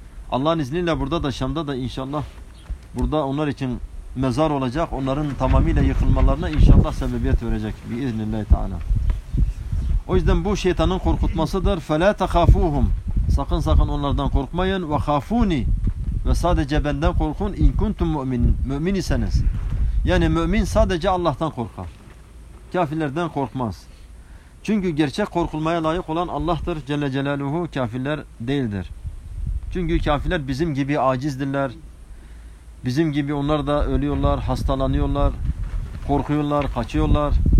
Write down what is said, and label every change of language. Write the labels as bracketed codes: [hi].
[tr] Allah'ın izniyle burada da Şam'da da inşallah burada onlar için mezar olacak. Onların tamamıyla yıkılmalarına inşallah sebebiyet verecek. Biiznillahü Teala. O yüzden bu şeytanın korkutmasıdır. [ar] فَلَا تَخَافُوهُمْ [tr] Sakın sakın onlardan korkmayın. [ar] وَخَافُونِ [tr] Ve sadece benden korkun. [ar] اِنْ كُنْتُمْ مُؤْمِنِينَ [tr] Mümin iseniz. Yani mümin sadece Allah'tan korkar. Kafirlerden korkmaz. Çünkü gerçek korkulmaya layık olan Allah'tır. Celle Celaluhu, kafirler değildir. Çünkü kafirler bizim gibi acizdirler. Bizim gibi onlar da ölüyorlar, hastalanıyorlar, korkuyorlar, kaçıyorlar.